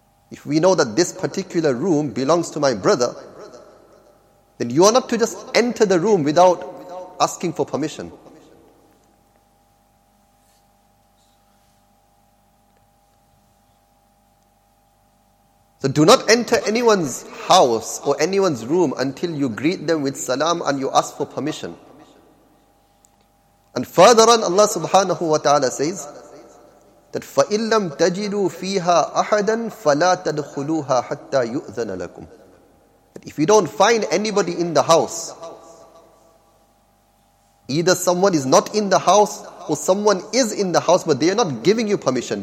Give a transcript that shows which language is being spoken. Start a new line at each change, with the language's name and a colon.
English: If we know that this particular room belongs to my brother, then you are not to just enter the room without asking for permission. So do not enter anyone's house or anyone's room until you greet them with salam and you ask for permission. And further on, Allah subhanahu wa ta'ala says that,
Arabic: "فَإِن لَّمْ تَجِدُوا فِيهَا أَحَدًا فَلَا تَدْخُلُوهَا حَتَّى يُؤْذَنَ لَكُمْ."
English: That if you don't find anybody in the house, Either someone is not in the house or someone is in the house, but they are not giving you permission.